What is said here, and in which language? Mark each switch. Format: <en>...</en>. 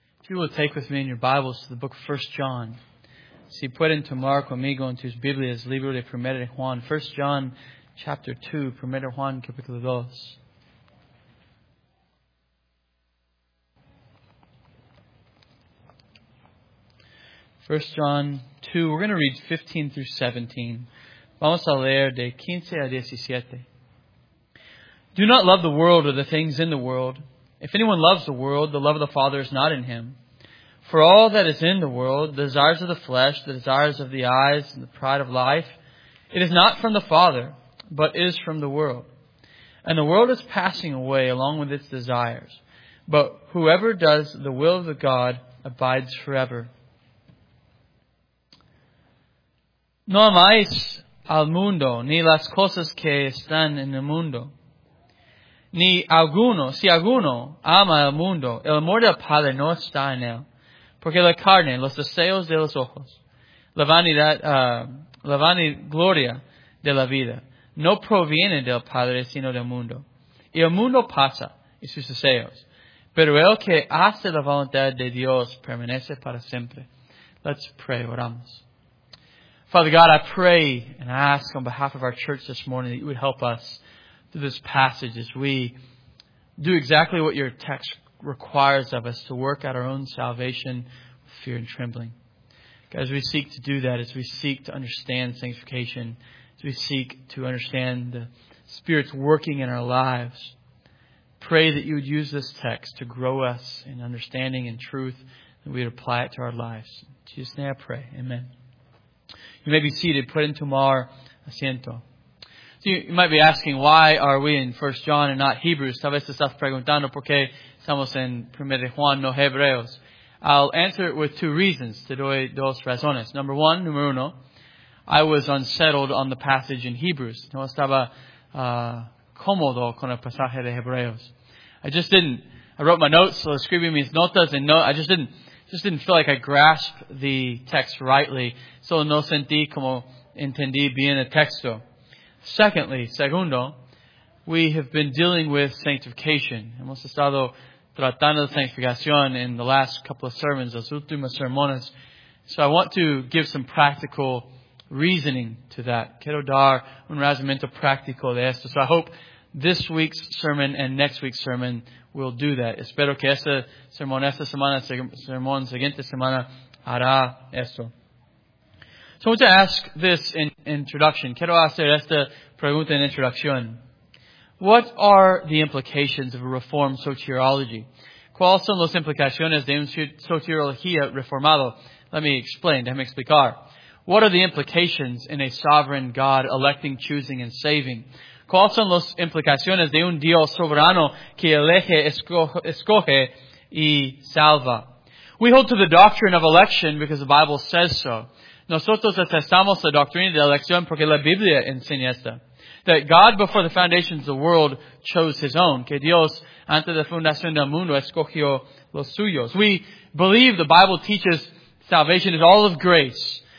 <en>If you will take with me in your Bibles to the book of 1 John.</en> <es>Si pueden tomar conmigo en tus Biblias, libro de Primera de Juan.</es> <en>1 John chapter 2,</en> <es>Primera Juan capítulo 2.</es> <en>First John 2, we're going to read 15 through 17.</en> <es>Vamos a leer de 15 a 17.</es> <en>Do not love the world or the things in the world. If anyone loves the world, the love of the Father is not in him. For all that is in the world, the desires of the flesh, the desires of the eyes, and the pride of life, it is not from the Father, but is from the world. And the world is passing away along with its desires. But whoever does the will of the God abides forever.</en> <es>No amáis al mundo, ni las cosas que están en el mundo. Ni alguno, si alguno ama el mundo, el amor del Padre no está en él. Porque la carne, los deseos de los ojos, la vanagloria de la vida, no proviene del Padre, sino del mundo. Y el mundo pasa, y sus deseos. Pero el que hace la voluntad de Dios permanece para siempre.</es> <en>Let's pray,</en> <es>oramos.</es> <en>Father God, I pray and ask on behalf of our church this morning that you would help us through this passage as we do exactly what your text requires of us, to work out our own salvation with fear and trembling. God, as we seek to do that, as we seek to understand sanctification, as we seek to understand the Spirit's working in our lives, pray that you would use this text to grow us in understanding and truth, and we would apply it to our lives. In Jesus' name I pray. Amen. You may be seated.</en> <es>Put in tomar asiento.</es> <en>So you might be asking, why are we in 1 John and not Hebrews?</en> <es>Tal vez estás preguntando por qué estamos en 1 Juan, no Hebreos.</es> <en>I'll answer it with two reasons.</en> <es>Te doy dos razones.</es> <en>Number one,</en> <es>número uno,</es> <en>I was unsettled on the passage in Hebrews.</en> <es>No estaba cómodo con el pasaje de Hebreos.</es> <en>I just didn't. I wrote my notes, so</en> <es>escribir mis notas,</es> <en>and I just didn't. Just didn't feel like I grasped the text rightly.</en> <es>Solo no sentí como entendí bien el texto.</es> <en>Segundo, we have been dealing with sanctification.</en> <es>Hemos estado tratando de sanctificación</es> <en>in the last couple of sermons,</en> <es>las últimas sermones.</es> <en>So I want to give some practical reasoning to that.</en> <es>Quiero dar un razonamiento práctico de esto.</es> <en>So I hope this week's sermon and next week's sermon will do that.</en> <es>Espero que esta semana, sermón siguiente semana, hará esto.</es> <en>So I want to ask this in introduction.</en> <es>Quiero hacer esta pregunta en introducción.</es> <en>What are the implications of a reformed soteriology?</en> <es>¿Cuáles son las implicaciones de una soteriología reformada?</es> <en>Let me explain.</en> <es>Déjame explicar.</es> <en>What are the implications in a sovereign God electing, choosing, and saving?</en> <es>¿Cuáles son las implicaciones de un Dios soberano que elige, escoge y salva?</es> <en>We hold to the doctrine of election because the Bible says so.</en> <es>Nosotros atestamos la doctrina de elección porque la Biblia enseña esta.</es> <en>That God, before the foundations of the world, chose His own.</en> <es>Que Dios, antes de la fundación del mundo, escogió los suyos.</es> <en>We believe the Bible teaches salvation is all of grace.</en>